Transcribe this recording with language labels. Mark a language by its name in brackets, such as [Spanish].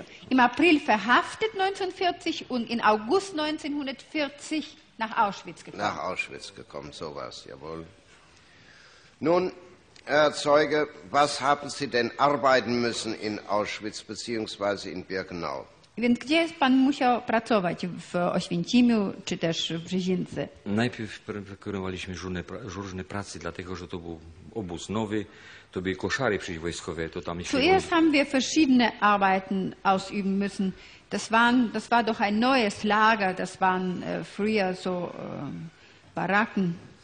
[German] Im April verhaftet 1940 und im August 1940 nach Auschwitz gekommen. Nach Auschwitz gekommen, so war es, jawohl. Nun, Herr Zeuge, was haben Sie denn arbeiten müssen in Auschwitz bzw. in Birkenau? [Polish] Więc gdzie jest pan musiał pracować? W Oświęcimiu czy też w Brzezińce? Najpierw wykonywaliśmy różne prace, dlatego że to był obóz nowy, to były koszary przecież wojskowe, to tam... [German] Zuerst haben wir verschiedene Arbeiten ausüben müssen. Das war doch ein neues Lager, das waren früher so Baracken.